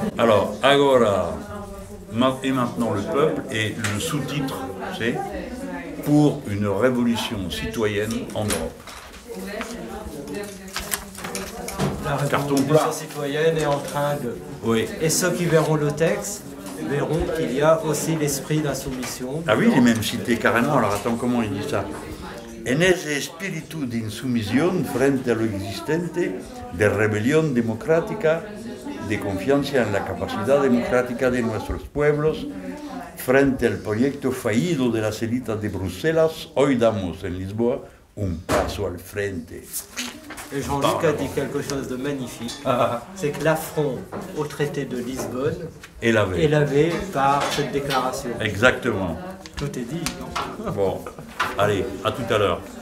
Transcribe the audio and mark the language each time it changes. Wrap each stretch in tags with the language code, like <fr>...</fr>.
<fr>Alors, agora, et maintenant le peuple, et le sous-titre, c'est pour une révolution citoyenne en Europe. La révolution citoyenne est en train de... Oui. Et ceux qui verront le texte verront qu'il y a aussi l'esprit d'insoumission. Ah oui, il est même cité carrément. Alors attends, comment il dit ça?</fr> <es>En ese espíritu de insumisión frente a lo existente, de rebelión democrática, de confianza en la capacidad democrática de nuestros pueblos, frente al proyecto fallido de las élites de Bruselas, hoy damos en Lisboa un paso al frente.</es> <fr>Et Jean-Luc a dit quelque chose de magnifique, c'est que l'affront au traité de Lisbonne est lavé par cette déclaration. Exactement. Tout est dit. Non bon, allez, à tout à l'heure.</fr>